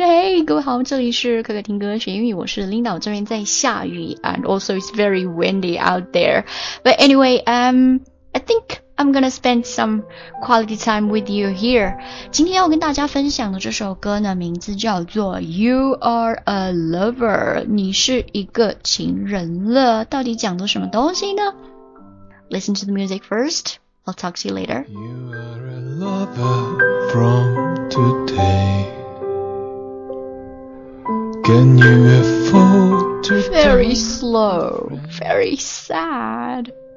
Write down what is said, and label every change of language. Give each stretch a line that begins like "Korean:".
Chinese: Hey, 各位好，这里是可可听歌学英语，我是 Linda， 这边在下雨 ，
English: and also it's very windy out there. But anyway, I think I'm gonna spend some quality time with you here.
Chinese: 今天要跟大家分享的这首歌呢，名字叫做 You Are a Lover， 你是一个情人了。到底讲的什么东西呢？
English: Listen to the music first. I'll talk to you later. You are a lover from today. Can you afford to Very slow, very sad.